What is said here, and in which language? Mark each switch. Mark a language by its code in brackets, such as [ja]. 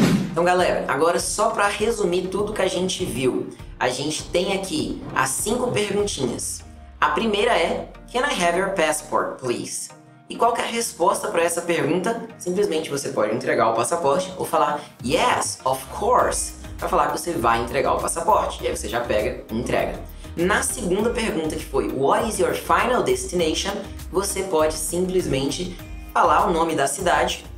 [pt] Então, galera, agora só pra resumir tudo que a gente viu. A gente tem aqui as 5 perguntinhas. A primeira é, [en] can I have your passport, please? [pt] E qual que é a resposta para essa pergunta? Simplesmente você pode entregar o passaporte ou falar, [en] yes, of course, [pt] para falar que você vai entregar o passaporte. E aí você já pega e entrega. Na segunda pergunta, que foi, [en] what is your final destination? [pt] Você pode simplesmente falar o nome da cidade.